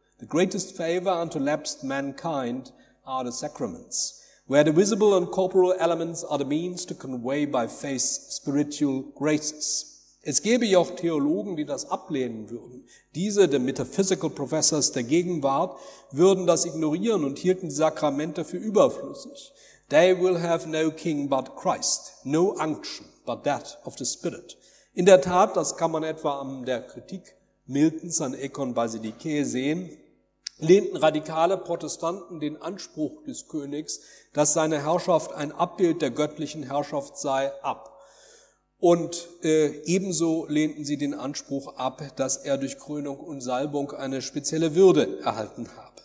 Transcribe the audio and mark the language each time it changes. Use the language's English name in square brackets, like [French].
[English] The greatest favor unto lapsed mankind are the sacraments, where the visible and corporal elements are the means to convey by faith spiritual graces." [German] Es gäbe ja auch Theologen, die das ablehnen würden. Diese, [English] the metaphysical professors [German] der Gegenwart, würden das ignorieren und hielten die Sakramente für überflüssig. [English] "They will have no king but Christ, no unction but that of the Spirit." [German] In der Tat, das kann man etwa an der Kritik Miltons an Econ Basilicae sehen, lehnten radikale Protestanten den Anspruch des Königs, dass seine Herrschaft ein Abbild der göttlichen Herrschaft sei, ab. Und ebenso lehnten sie den Anspruch ab, dass er durch Krönung und Salbung eine spezielle Würde erhalten habe.